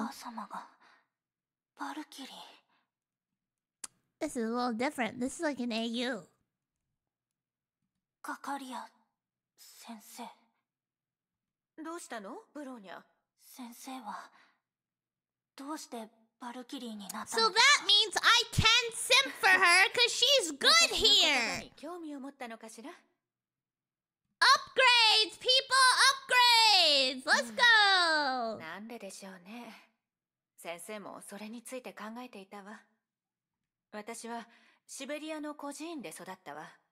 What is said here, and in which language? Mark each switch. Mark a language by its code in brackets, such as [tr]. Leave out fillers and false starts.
[ja] お母様がバルキリー。 [en] This is a little different. This is like an AU. [ja] カカリア先生。どうしたの、ブローニャ？先生は。どうしてバルキリーになったの? [en] So that means I can simp for her because she's good here! [ja] 興味を持ったのかしら? [en] Upgrades! People, upgrades! Let's go! [ja] なんででしょうね。先生もそれについて考えていたわ。私はシベリアの孤児院で育ったわ。